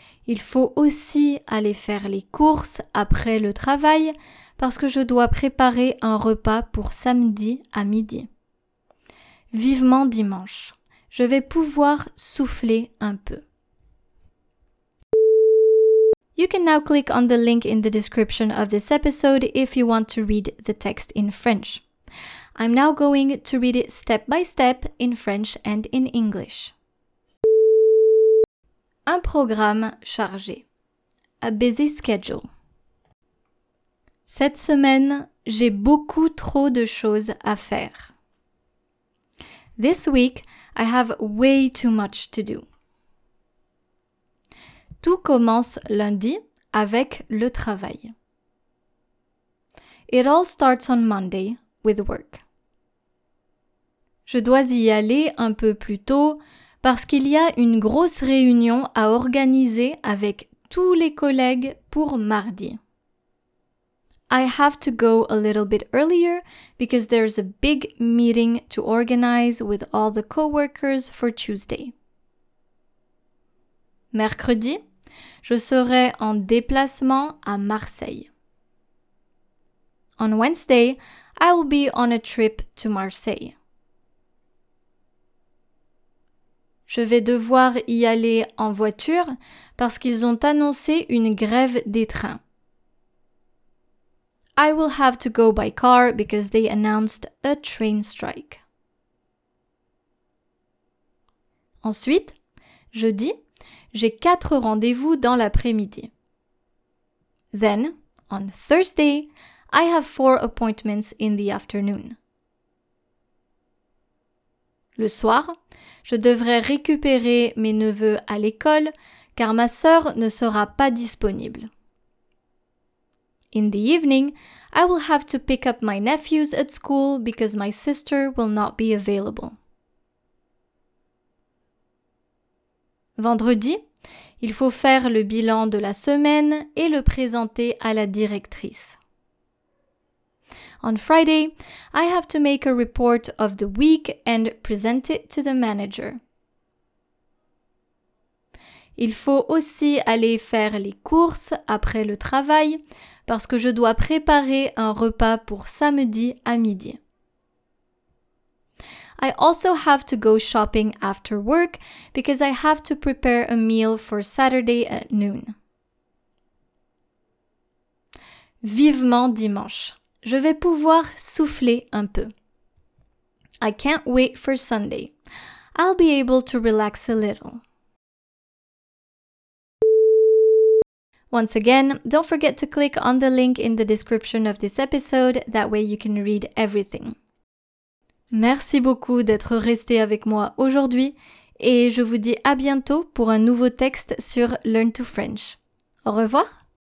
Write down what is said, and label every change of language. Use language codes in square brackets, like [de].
[fr] Il faut aussi aller faire les courses après le travail parce que je dois préparer un repas pour samedi à midi. Vivement dimanche, je vais pouvoir souffler un peu. [en] You can now click on the link in the description of this episode if you want to read the text in French. I'm now going to read it step by step in French and in English. [fr] Un programme chargé. [en] A busy schedule. [fr] Cette semaine, j'ai beaucoup trop de choses à faire. [en] This week, I have way too much to do. [fr] Tout commence lundi avec le travail. [en] It all starts on Monday with work. [fr] Je dois y aller un peu plus tôt parce qu'il y a une grosse réunion à organiser avec tous les collègues pour mardi. [en] I have to go a little bit earlier because there's a big meeting to organize with all the coworkers for Tuesday. [fr] Mercredi, je serai en déplacement à Marseille. [en] On Wednesday, I will be on a trip to Marseille. [fr] Je vais devoir y aller en voiture parce qu'ils ont annoncé une grève des trains. [en] I will have to go by car because they announced a train strike. [fr] Ensuite, jeudi, j'ai 4 rendez-vous dans l'après-midi. [en] Then, on Thursday, I have 4 appointments in the afternoon. [fr] Le soir, je devrais récupérer mes neveux à l'école car ma sœur ne sera pas disponible. [en] In the evening, I will have to pick up my nephews at school because my sister will not be available. [fr] Vendredi, il faut faire le bilan de la semaine et le présenter à la directrice. [en] On Friday, I have to make a report of the week and present it to the manager. [fr] Il faut aussi aller faire les courses après le travail parce que je dois préparer un repas pour samedi à midi. [en] I also have to go shopping after work because I have to prepare a meal for Saturday at noon. [fr] Vivement dimanche. Je vais pouvoir souffler un peu. [en] I can't wait for Sunday. I'll be able to relax a little. Once again, don't forget to click on the link in the description of this episode, that way you can read everything. [fr] Merci beaucoup d'être resté avec moi aujourd'hui et je vous dis à bientôt pour un nouveau texte sur Learn to French. Au revoir!